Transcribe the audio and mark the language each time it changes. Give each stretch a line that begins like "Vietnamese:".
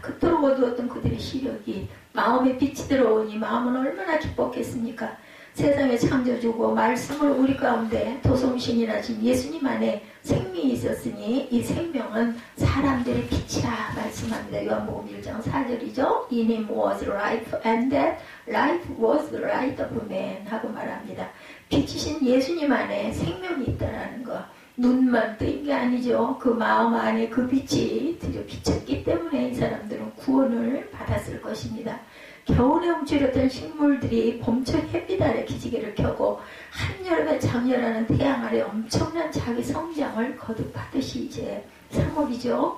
Korean: 그토록 어두웠던 그들의 시력이 마음에 빛이 들어오니 마음은 얼마나 기뻤겠습니까? 세상에 창조주고 말씀을 우리 가운데 도성신이나 지금 예수님 안에 생명이 있었으니 이 생명은 사람들의 빛이라 말씀합니다. 요한복음 1장 4절이죠.
English: In him was life and that life was the light of man
Korean: 하고 말합니다. 빛이신 예수님 안에 생명이 있다라는 것. 눈만 뜬 게 아니죠. 그 마음 안에 그 빛이 드디어 비쳤기 때문에 이 사람들은 구원을 받았을 것입니다. 겨울에 움츠렸던 식물들이 봄철 햇빛 아래 기지개를 켜고 한여름에 장렬하는 태양 아래 엄청난 자기 성장을 거듭하듯이 이제 상업이죠.